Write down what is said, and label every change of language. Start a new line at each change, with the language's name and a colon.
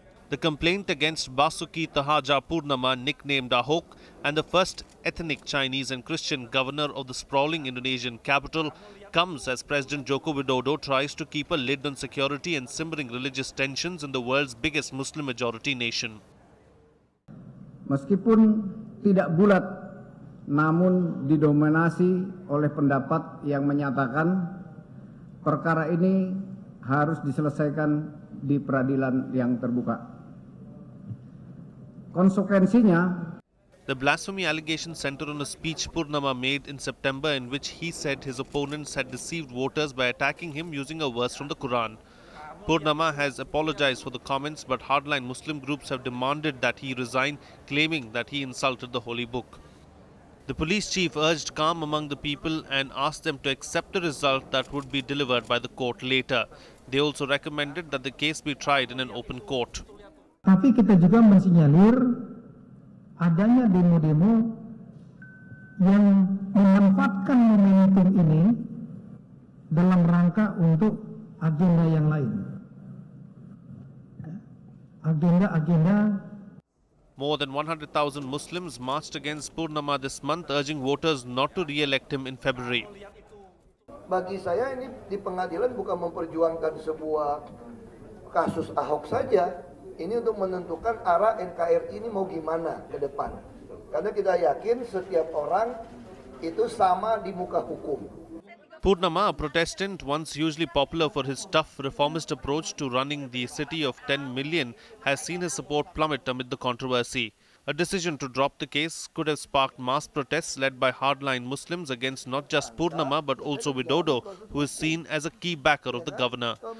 English: The complaint against Basuki Tahaja Purnama, nicknamed Ahok, and the first ethnic Chinese and Christian governor of the sprawling Indonesian capital, comes as President Joko Widodo tries to keep a lid on security and simmering religious tensions in the world's biggest Muslim-majority nation.
Indonesian: Meskipun tidak bulat, namun didominasi oleh pendapat yang menyatakan perkara ini harus diselesaikan di peradilan yang terbuka. Konsekuensinya,
English: the blasphemy allegation centered on a speech Purnama made in September in which he said his opponents had deceived voters by attacking him using a verse from the Quran. Purnama has apologized for the comments, but hardline Muslim groups have demanded that he resign, claiming that he insulted the holy book. The police chief urged calm among the people and asked them to accept the result that would be delivered by the court later. They also recommended that the case be tried in an open court.
Indonesian: Tapi kita juga mensinyalir adanya demo-demo yang memanfaatkan momentum ini dalam rangka untuk agenda yang lain. Agenda-agenda.
English: More than 100,000 Muslims marched against Purnama this month, urging voters not to re-elect him in February.
Indonesian: Bagi saya ini di pengadilan bukan memperjuangkan sebuah kasus Ahok saja. Ini untuk menentukan arah NKRI ini mau gimana ke depan. Karena kita yakin setiap orang itu sama di muka hukum.
English: Purnama, a Protestant once usually popular for his tough reformist approach to running the city of 10 million, has seen his support plummet amid the controversy. A decision to drop the case could have sparked mass protests led by hardline Muslims against not just Purnama but also Widodo, who is seen as a key backer of the governor.